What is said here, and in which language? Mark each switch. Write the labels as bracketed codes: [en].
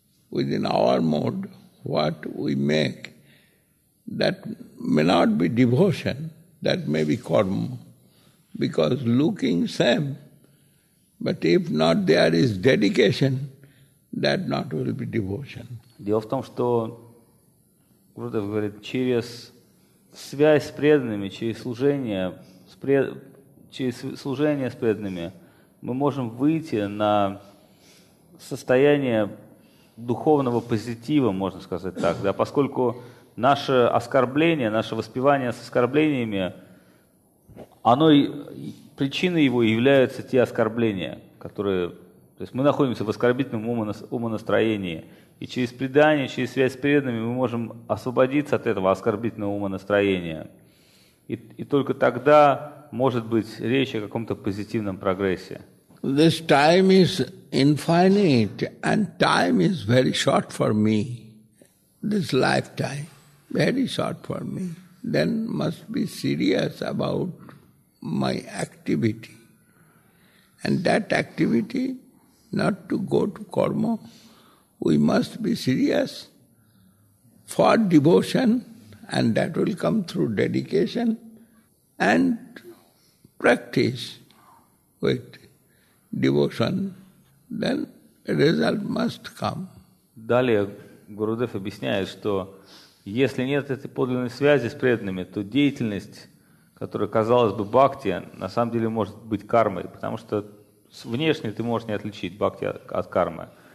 [en] within our mold, what we make, that may not be devotion, that may be karma, because looking same, but if not there is dedication, that not will be devotion. [ru] Дело в том, что Гурдев говорит, через связь с преданными, через служение с преданными, мы можем выйти на состояние духовного позитива, можно сказать так, да, поскольку наше оскорбление, наше воспевание с оскорблениями, оно, причиной его являются те оскорбления, которые... То есть мы находимся в оскорбительном умонастроении, и через предание, через связь с преданными мы можем освободиться от этого оскорбительного умонастроения. И только тогда может быть речь о каком-то позитивном прогрессе. [en] This time is infinite, and time is very short for me. This lifetime, very short for me. Then must be serious about my activity. And that activity... Not to go to karma, we must be serious for devotion, and that will come through dedication and practice with devotion. Then result must come. [ru] Далее Гурудев объясняет, что если нет этой подлинной связи с преданными, то деятельность, которая казалась бы бхакти, на самом деле может быть кармой, потому что внешне ты можешь не отличить бхакти от кармы.